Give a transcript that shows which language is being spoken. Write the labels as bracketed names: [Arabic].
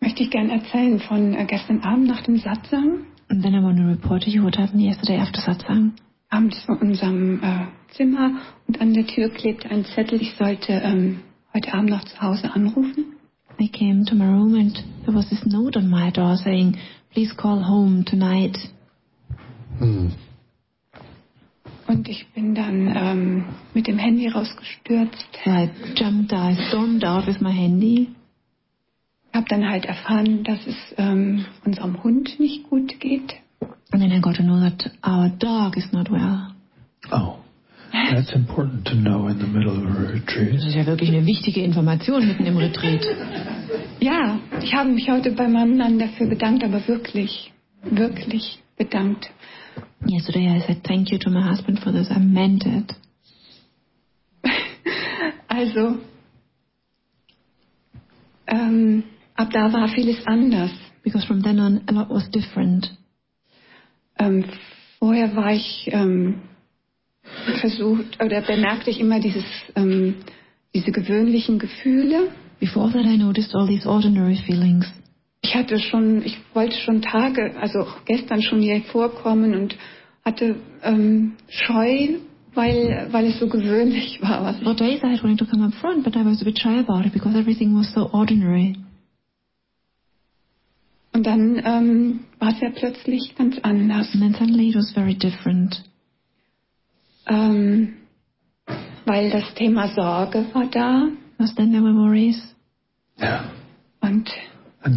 [German] Gerne erzählen von gestern Abend nach dem Satsang. [English] And then I want to report to you what happened yesterday after Satsang. [German] Abends vor unserem Zimmer und an der Tür klebte ein Zettel, ich sollte heute Abend noch zu Hause anrufen. [English] I came to my room and there was this note on my door saying, please call home tonight. [German] Und ich bin dann mit dem Handy rausgestürzt. [English] So I jumped out, I stormed out with my handy. [German] Ich habe dann halt erfahren, dass es unserem Hund nicht gut geht. [English] And then I got to know that our dog is not well. Oh, that's important to know in the middle of a retreat. [German] Das ist ja wirklich eine wichtige Information mitten im Retreat. Ja, ich habe mich heute bei meinem Mann dafür bedankt, aber wirklich, wirklich bedankt. [English] Yesterday I said thank you to my husband for this, I meant it. [German] Also... ab da war vieles anders. [English] Because from then on a lot was different. [German] Vorher war ich versucht oder bemerkte ich immer diese gewöhnlichen Gefühle. [English] Before that I noticed all these ordinary feelings. [German] Ich wollte schon Tage, also auch gestern schon hier vorkommen und hatte Scheu, weil es so gewöhnlich war. [English] For days I had wanted to come up front, but I was a bit shy about it because everything was so ordinary. [German] Und dann war es ja plötzlich ganz anders. [English] And then suddenly it was very different. [German] Weil das Thema Sorge war da. [English] Was then there were worries. Yeah. And